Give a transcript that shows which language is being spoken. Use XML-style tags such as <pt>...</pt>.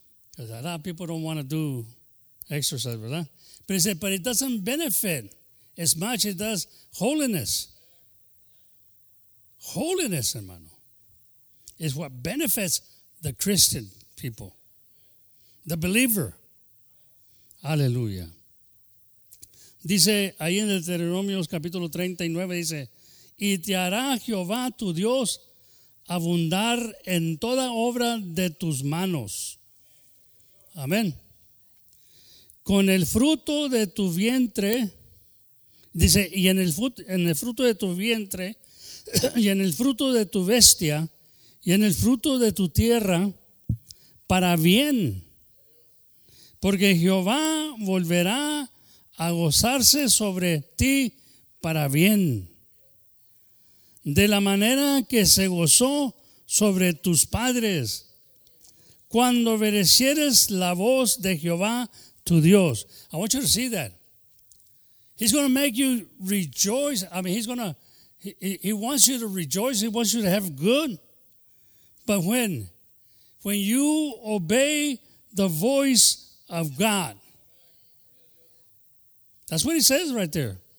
<en>Because a lot of people don't want to do exercise, right? But he said, but it doesn't benefit as much as it does holiness. Holiness, hermano, is what benefits the Christian people, the believer. Hallelujah.</en> <es>Dice ahí en Deuteronomio capítulo 39, dice, y te hará Jehová tu Dios abundar en toda obra de tus manos. Amén. Con el fruto de tu vientre, dice, y en el fruto de tu vientre, y en el fruto de tu bestia, y en el fruto de tu tierra, para bien. Porque Jehová volverá a gozarse sobre ti para bien. De la manera que se gozó sobre tus padres, cuando obedecieres la voz de Jehová tu Dios.</es> <en>I want you to see that. He's going to make you rejoice. I mean, he wants you to rejoice. He wants you to have good. But when you obey the voice of God, that's what he says right there.</en>